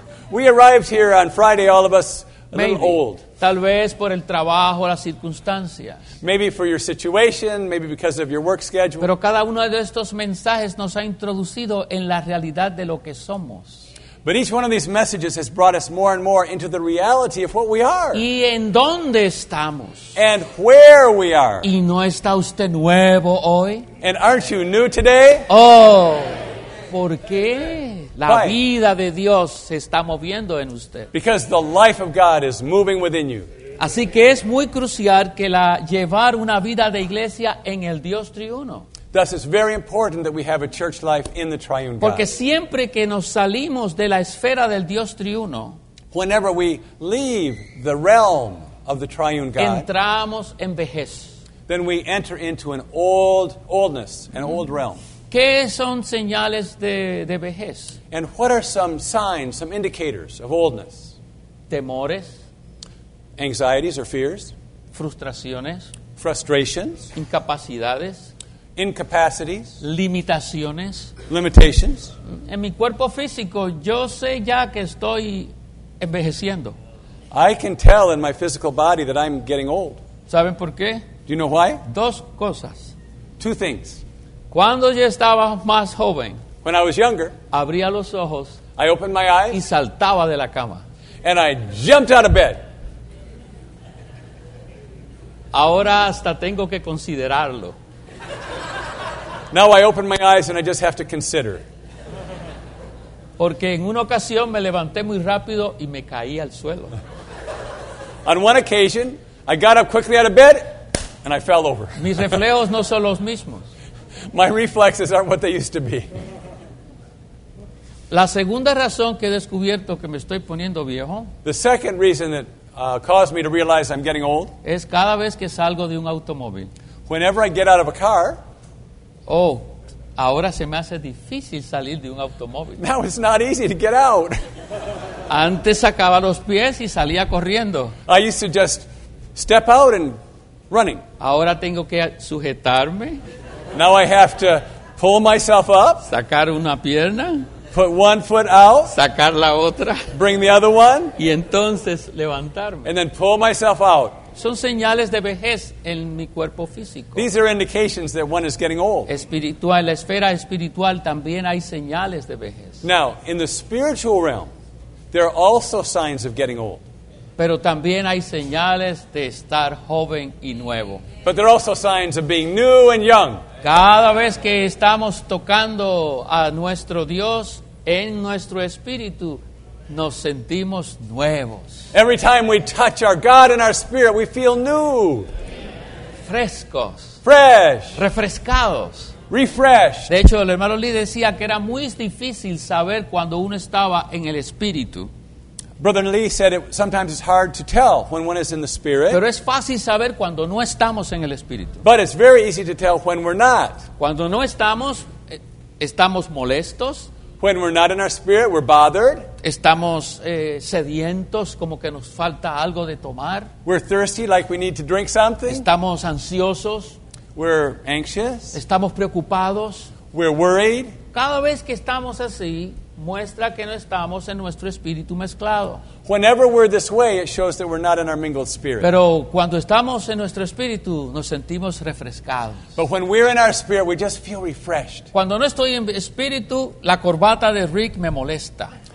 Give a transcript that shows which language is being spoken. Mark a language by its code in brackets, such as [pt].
[en] We arrived here on Friday, all of us, a little old. [es] Tal vez por el trabajo, las circunstancias. [en] Maybe for your situation, maybe because of your work schedule. [es] Pero cada uno de estos mensajes nos ha introducido en la realidad de lo que somos. [en] But each one of these messages has brought us more and more into the reality of what we are. [es] ¿Y en dónde estamos? [en] And where we are. [es] ¿Y no está usted nuevo hoy? [en] And aren't you new today? [es] Oh, ¿por qué? La vida de Dios se está moviendo en usted. [en] Because the life of God is moving within you. [es] Así que es muy crucial que la llevar una vida de iglesia en el Dios triuno. [en] Thus, it's very important that we have a church life in the triune God. [es] Porque siempre que nos salimos de la esfera del Dios triuno, [en] whenever we leave the realm of the triune God, [es] entramos en vejez. [en] Then we enter into an oldness, an old realm. [es] ¿Qué son señales de vejez? [en] And what are some signs, some indicators of oldness? [es] Temores. [en] Anxieties or fears. [es] Frustraciones. [en] Frustrations. [es] Incapacidades. [en] Incapacities. [es] Limitaciones. [en] Limitations. [es] En mi cuerpo físico, yo sé ya que estoy envejeciendo. [en] I can tell in my physical body that I'm getting old. [es] ¿Saben por qué? [en] Do you know why? [es] Dos cosas. [en] Two things. [es] Cuando yo estaba más joven, [en] when I was younger, [es] abría los ojos, [en] I opened my eyes, [es] y saltaba de la cama, [en] and I jumped out of bed. [es] Ahora hasta tengo que considerarlo. [en] Now I open my eyes and I just have to consider. [es] Porque en una ocasión me levanté muy rápido y me caí al suelo. [en] On one occasion, I got up quickly out of bed and I fell over. [es] Mis reflejos no son los mismos. [en] My reflexes aren't what they used to be. [es] La segunda razón que he descubierto que me estoy poniendo viejo, [en] the second reason that caused me to realize I'm getting old, [es] es cada vez que salgo de un automóvil. [en] Whenever I get out of a car, [es] oh, ahora se me hace difícil salir de un automóvil. [en] Now it's not easy to get out. [es] Antes sacaba los pies y salía corriendo. [en] I used to just step out and running. [es] Ahora tengo que sujetarme. [en] Now I have to pull myself up. [es] Sacar una pierna. [en] Put one foot out. [es] Sacar la otra. [en] Bring the other one. [es] Y entonces levantarme. [en] And then pull myself out. [es] Son señales de vejez en mi cuerpo físico. [en] These are indications that one is getting old. [es] Espiritual, la esfera espiritual también hay señales de vejez. [en] Now, in the spiritual realm, there are also signs of getting old. [es] Pero también hay señales de estar joven y nuevo. [en] But there are also signs of being new and young. [es] Cada vez que estamos tocando a nuestro Dios en nuestro espíritu, nos sentimos nuevos. [en] Every time we touch our God in our spirit, we feel new. [es] Frescos. [en] Fresh. [es] Refrescados. [en] Refreshed. [es] De hecho, el hermano Lee decía que era muy difícil saber cuando uno estaba en el espíritu. [en] Brother Lee said it sometimes it's hard to tell when one is in the spirit. [es] Pero es fácil saber cuando no estamos en el espíritu. [en] But it's very easy to tell when we're not. [es] Cuando no estamos, estamos molestos. [en] When we're not in our spirit, we're bothered. [es] Estamos sedientos, como que nos falta algo de tomar. [en] We're thirsty, like we need to drink something. [es] Estamos ansiosos. [en] We're anxious. [es] Estamos preocupados. [en] We're worried. [es] Cada vez que estamos así, muestra que no estamos en nuestro espíritu mezclado. [en] Whenever we're this way, it shows that we're not in our mingled spirit. [es] Pero cuando estamos en nuestro espíritu, nos sentimos refrescados. [en] But when we're in our spirit, we just feel refreshed. [es] Cuando no estoy en espíritu, la corbata de Rick me molesta.